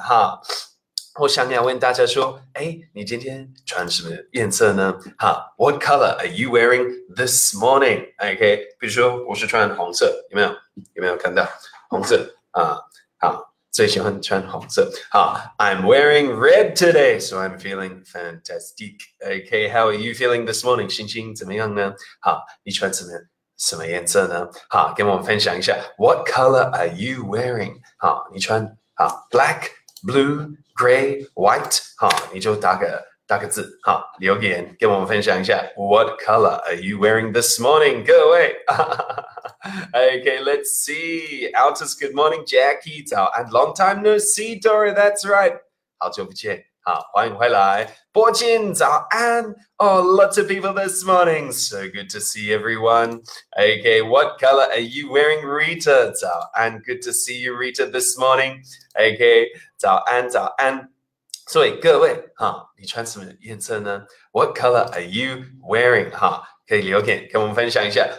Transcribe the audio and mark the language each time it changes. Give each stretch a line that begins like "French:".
Chinese: 哈，我想要问大家说，你今天穿什么颜色呢？
English: 哈 ，What color are you wearing this morning?
Chinese: OK, 比如说我是穿红色，有没有？有没有看到红色？最喜欢穿红色。
English: 好 ，I'm wearing red today, so I'm feeling fantastic. Okay, how are you feeling this morning?
Chinese: 心情怎么样呢？好，你穿什么颜色呢？好，跟我们分享一下。
English: What color are you wearing?
Chinese: 好，你穿好
English: black, blue, gray, white.
Chinese: 好，你就打个字。好，留言跟我们分享一下。
English: What color are you wearing this morning?
Chinese: 各位。
English: Okay, let's see. Altus, good morning, Jackie. 早安 long time no see, Dora. That's right.
Chinese: 好久不见。好，欢迎回来。
English: 柏金，早安。Oh, lots of people this morning. So good to see everyone. Okay, what color are you wearing, Rita? 早安 good to see you, Rita, this morning.
Chinese: Okay, 早安，早安。所以各位，你穿什么颜色呢？
English: What color are you wearing? 哈。
Chinese: 可以留言跟我们分享一下。